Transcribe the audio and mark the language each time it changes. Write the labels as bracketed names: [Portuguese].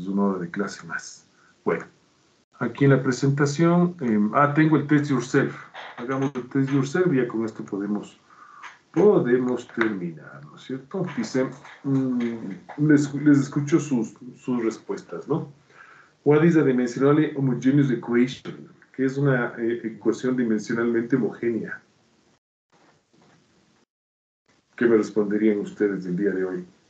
[Spanish] Es una hora de clase más. Bueno. Aquí en la presentación, tengo el test yourself. Hagamos el test yourself y ya con esto podemos terminar, ¿no es cierto? Dice, les escucho sus respuestas, ¿no? [English] What is a dimensionally homogeneous equation? [Spanish] ¿Qué es una ecuación dimensionalmente homogénea? ¿Qué me responderían ustedes el día de hoy?